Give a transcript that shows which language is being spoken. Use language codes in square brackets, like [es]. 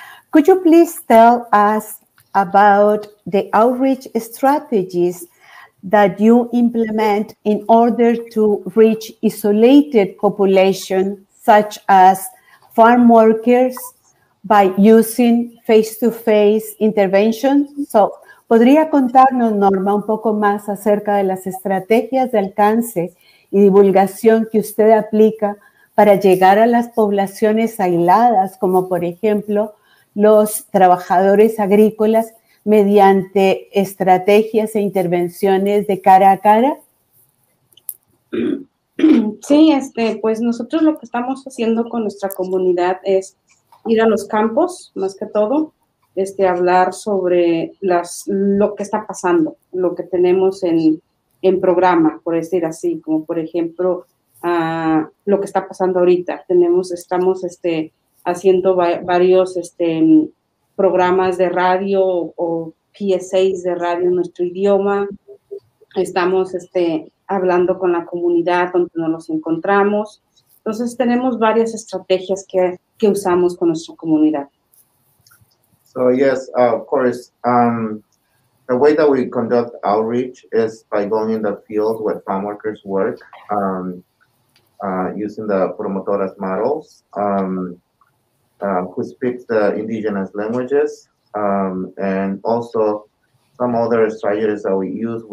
[en] Could you please tell us about the outreach strategies that you implement in order to reach isolated populations such as farm workers by using face-to-face interventions? [es] So, ¿podría contarnos, Norma, un poco más acerca de las estrategias de alcance y divulgación que usted aplica para llegar a las poblaciones aisladas, como por ejemplo los trabajadores agrícolas, mediante estrategias e intervenciones de cara a cara? Sí, pues nosotros lo que estamos haciendo con nuestra comunidad es ir a los campos, más que todo, hablar sobre lo que está pasando, lo que tenemos en programa, por decir así, como por ejemplo, lo que está pasando ahorita. Estamos haciendo varios programas de radio o PSAs de radio en nuestro idioma. Estamos hablando con la comunidad donde no nos encontramos. Entonces, tenemos varias estrategias que usamos con nuestra comunidad. [en] So yes, of course, the way that we conduct outreach is by going in the field where farm workers work, using the promotoras models, who speak the indigenous languages, and also some other strategies that we use.